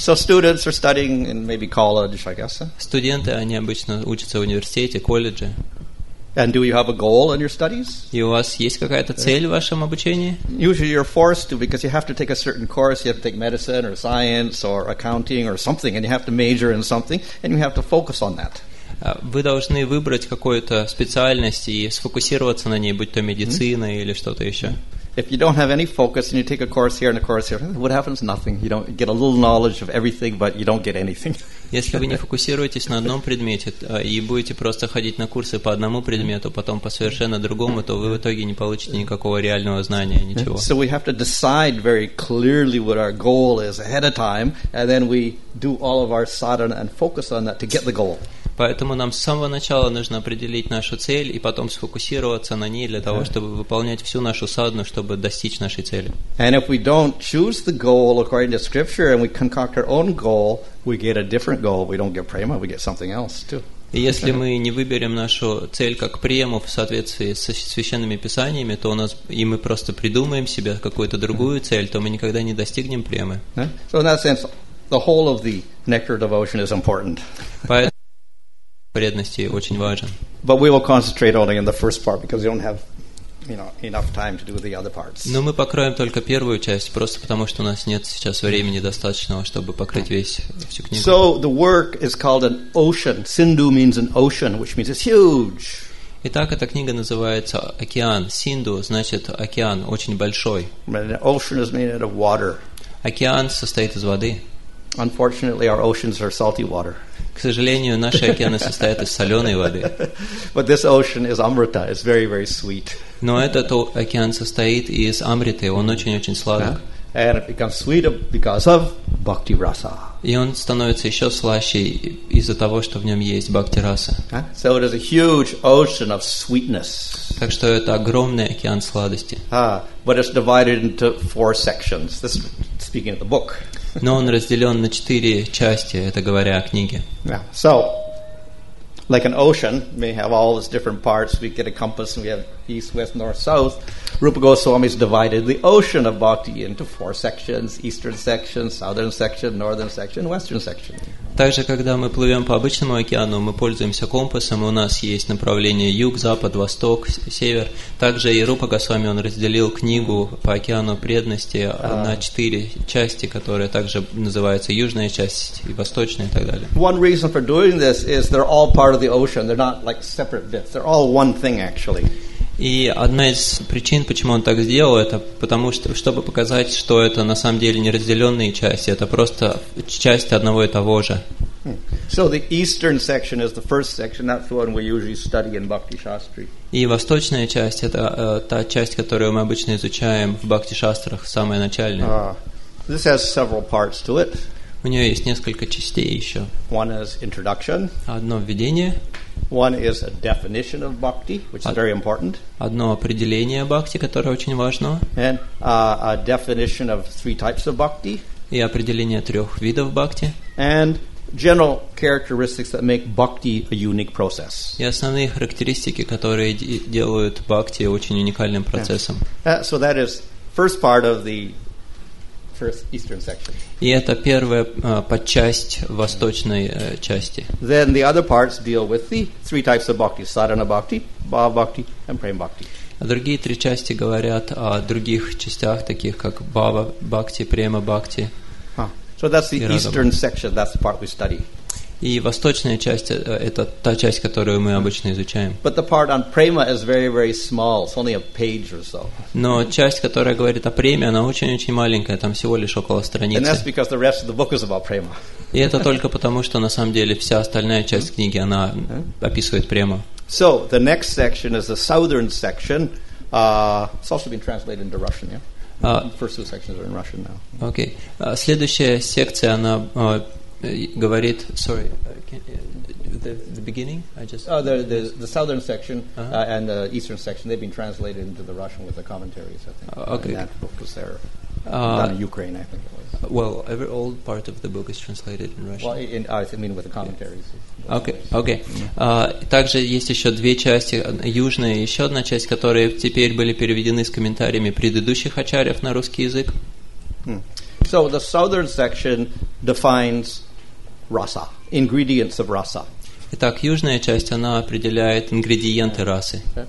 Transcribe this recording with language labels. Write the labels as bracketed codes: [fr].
[en] So students are studying in maybe college, I guess. [ru] Студенты, они обычно учатся в университете, колледже. [en] And do you have a goal in your studies? [ru] И у вас есть какая-то цель в вашем обучении? [en] Usually you're forced to because you have to take a certain course. You have to take medicine or science or accounting or something, and you have to major in something, and you have to focus on that. [ru] Вы должны выбрать какую-то специальность и сфокусироваться на ней, будь то медицина или что-то еще. [en] If you don't have any focus and you take a course here and a course here, what happens? Nothing. You don't get a little knowledge of everything, but you don't get anything. [ru] Если вы не фокусируетесь на одном предмете и будете просто ходить на курсы по одному предмету, потом по совершенно другому, то вы в итоге не получите никакого реального знания, ничего. [en] So we have to decide very clearly what our goal is ahead of time, and then we do all of our sadhana and focus on that to get the goal. [ru] Поэтому нам с самого начала нужно определить нашу цель и потом сфокусироваться на ней для того, чтобы выполнять всю нашу садхану, чтобы достичь нашей цели. [en] And if we don't choose the goal according to scripture and we concoct our own goal, we get a different goal. We don't get prema, we get something else too. [ru] И если мы не выберем нашу цель как прему в соответствии со священными писаниями, то у нас и мы просто придумаем себе какую-то другую цель, то мы никогда не достигнем премы. [en] So in that sense, the whole of the nectar devotion is important. [ru] Преданности очень важен. [en] But we will concentrate only in the first part because we don't have, you know, enough time to do the other parts. [ru] Но мы покроем только первую часть, просто потому что у нас нет сейчас времени достаточного, чтобы покрыть всю книгу. [en] So the work is called an ocean. Sindhu means an ocean, which means it's huge. [ru] Итак, эта книга называется «Океан». Синду значит океан, очень большой. [en] But an ocean is made out of water. [ru] Океан состоит из воды. [en] Unfortunately, our oceans are salty water. [ru] К сожалению, наши океаны состоят из соленой воды. [en] But this ocean is amrita. It's very, very sweet. [ru] Но этот океан состоит из амриты. Он очень-очень сладок. [en] And it becomes sweeter because of bhakti rasa. [ru] И он становится еще слаще из-за того, что в нем есть бхакти раса. [en] So it is a huge ocean of sweetness. [ru] Так что это огромный океан сладости. [en] But it's divided into four sections. This, speaking of the book. [ru] Но он разделен на четыре части, это говоря о книге. [en] Yeah. So, like an ocean, we have all these different parts, we get a compass, and we have east, west, north, south. Rupa Goswami has divided the ocean of bhakti into four sections, eastern section, southern section, northern section, western section. [ru] Также, когда мы плывем по обычному океану, мы пользуемся компасом, и у нас есть направление юг, запад, восток, север. Также и Рупа Госвами, он разделил книгу по океану преданности на четыре части, которые также называются южная часть и восточная и так далее. [en] One reason for doing this is they're all part of the ocean. They're not like separate bits. They're all one thing, actually. [ru] И одна из причин, почему он так сделал, это потому что, чтобы показать, что это на самом деле не разделенные части, это просто части одного и того же. [en] So the eastern section is the first section, that's the one we usually study in Bhakti Shastri. [ru] И восточная часть, это та часть, которую мы обычно изучаем в Бхакти Шастрах, самая начальная. [en] This has several parts to it. [ru] У нее есть несколько частей еще. [en] One is introduction. [ru] Одно введение. [en] One is a definition of bhakti, which is very important. [ru] Одно определение бхакти, которое очень важно. [en] And a definition of three types of bhakti. [ru] И определение трех видов бхакти. [en] And general characteristics that make bhakti a unique process. [ru] И основные характеристики, которые делают бхакти очень уникальным процессом. [en] Yeah. So that is first part of the first eastern section. [ru] И это первая подчасть восточной части. [en] Then the other parts deal with the three types of bhakti: sadhana bhakti, bhava bhakti, and prema bhakti. [ru] Другие три части говорят о других частях, таких как бхава бхакти, према бхакти. [en] So that's the eastern section. That's the part we study. [ru] И восточная часть это та часть, которую мы обычно изучаем. [en] But the part on prema is very, very small. It's only a page or so. [ru] Но часть, которая говорит о преме, она очень-очень маленькая. Там всего лишь около страницы. [en] And that's because the rest of the book is about prema. [ru] И это только потому, что на самом деле вся остальная часть книги она описывает прему. [en] So the next section is the southern section. It's also been translated into Russian, yeah. First two sections are in Russian now. Okay. [ru] Следующая секция она говорит, [en] sorry, the beginning. I just the southern section and the eastern section. They've been translated into the Russian with the commentaries. I think. Okay. That book was there. Done in Ukraine, I think it was. Well, every old part of the book is translated in Russian. Well, I mean with the commentaries. Yeah. [ru] Окей. Также есть еще две части, южная и еще одна часть, которые теперь были переведены с комментариями предыдущих ачарьев на русский язык. [en] So the southern section defines rasa, ingredients of rasa. [ru] Итак, южная часть, она определяет ингредиенты расы.